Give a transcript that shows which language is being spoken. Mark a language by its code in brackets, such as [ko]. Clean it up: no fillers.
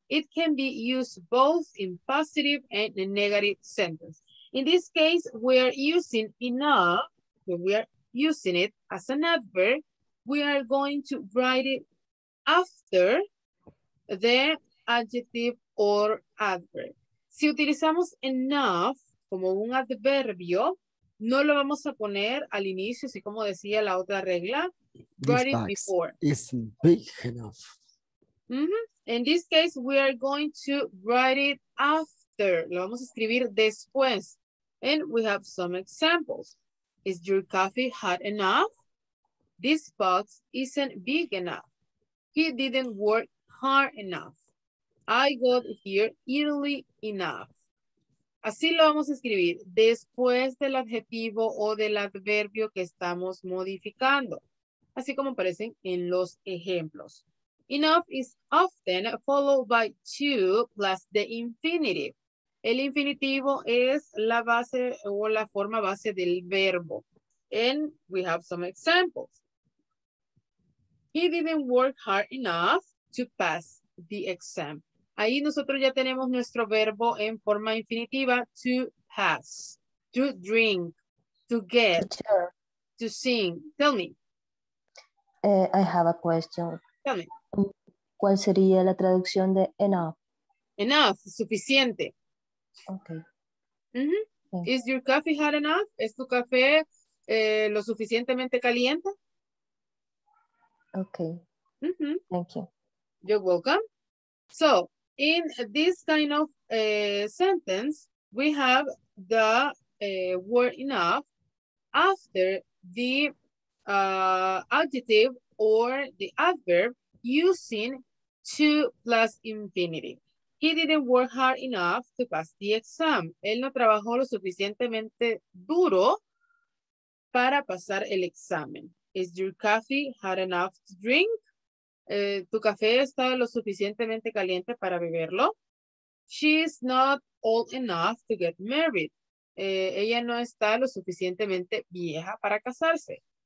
[en] It can be used both in positive and in negative sentence. In this case, we are using enough, when we are using it as an adverb, we are going to write it after the adjective or adverb. [es] Si utilizamos enough como un adverbio, no lo vamos a poner al inicio, así como decía la otra regla. [en] Write it before. It's big enough. Mm-hmm. In this case, we are going to write it after. [es] Lo vamos a escribir después. [en] And we have some examples. Is your coffee hot enough? This box isn't big enough. He didn't work hard enough. I got here early enough. [es] Así lo vamos a escribir después del adjetivo o del adverbio que estamos modificando. Así como aparecen en los ejemplos. [en] Enough is often followed by to plus the infinitive. [es] El infinitivo es la base o la forma base del verbo. [en] And we have some examples. He didn't work hard enough to pass the exam. [es] Ahí nosotros ya tenemos nuestro verbo en forma infinitiva, to pass, to drink, to get, [en] teacher, to sing. Tell me. I have a question. Tell me. [es] ¿Cuál sería la traducción de enough? [en] Enough, suficiente. Okay. [es] Mm-hmm. Okay. [en] Is your coffee hot enough? [es] ¿Es tu café lo suficientemente caliente? [en] Okay. Mm-hmm. Thank you. You're welcome. So, in this kind of sentence, we have the word enough after the adjective or the adverb using to plus infinity. He didn't work hard enough to pass the exam. [es] Él no trabajó lo suficientemente duro para pasar el examen. [en] Is your coffee hot enough to drink? [es] ¿Tu café está lo suficientemente caliente para beberlo? [en] She's not old enough to get married. [es] Ella no está lo suficientemente vieja para casarse.